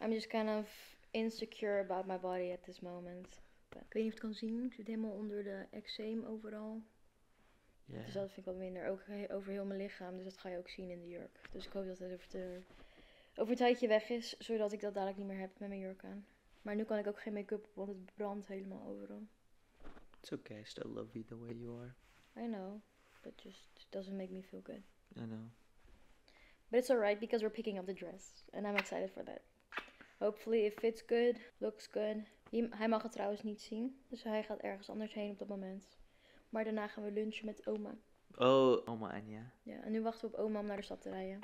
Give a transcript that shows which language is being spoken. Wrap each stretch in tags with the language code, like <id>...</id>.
<en>I'm just kind of insecure about my body at this moment.</en> <nl>But ik weet niet of het kan zien. Ik zit helemaal onder de eczeem overal.</nl> <en>Yeah.</en> <nl>Dus dat vind ik wat minder. Ook over heel mijn lichaam. Dus dat ga je ook zien in de jurk. Dus ik hoop dat het over een tijdje weg is. Zodat ik dat dadelijk niet meer heb met mijn jurk aan. Maar nu kan ik ook geen make-up op, want het brandt helemaal overal.</nl> <en>It's okay, I still love you the way you are. I know, but just doesn't make me feel good. I know. But it's alright, because we're picking up the dress. And I'm excited for that. Hopefully it fits good, looks good.</en> <nl>Hij mag het trouwens niet zien, dus hij gaat ergens anders heen op dat moment. Maar daarna gaan we lunchen met oma. Oh, oma Anja. Ja, en nu wachten we op oma om naar de stad te rijden.</nl>